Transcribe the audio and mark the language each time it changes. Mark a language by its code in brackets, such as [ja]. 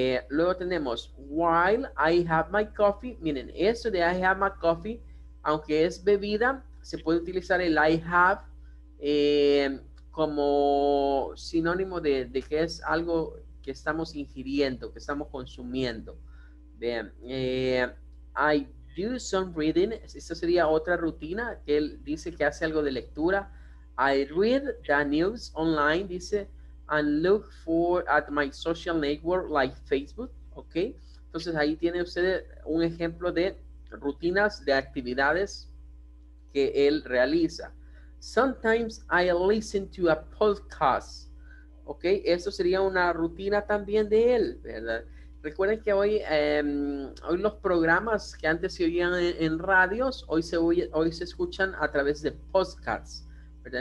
[es] Luego tenemos, while I have my coffee, miren, eso de I have my coffee, aunque es bebida, se puede utilizar el I have como sinónimo de que es algo que estamos ingiriendo, que estamos consumiendo. Vean, I do some reading, esta sería otra rutina, que él dice que hace algo de lectura. [en] I read the news online, dice, and look for at my social network like Facebook, ok. [es] Entonces ahí tiene usted un ejemplo de rutinas, de actividades que él realiza. Sometimes I listen to a podcast, ok, eso sería una rutina también de él, ¿verdad? Recuerden que hoy, hoy los programas que antes se oían en radios, hoy se escuchan a través de podcasts, ¿verdad?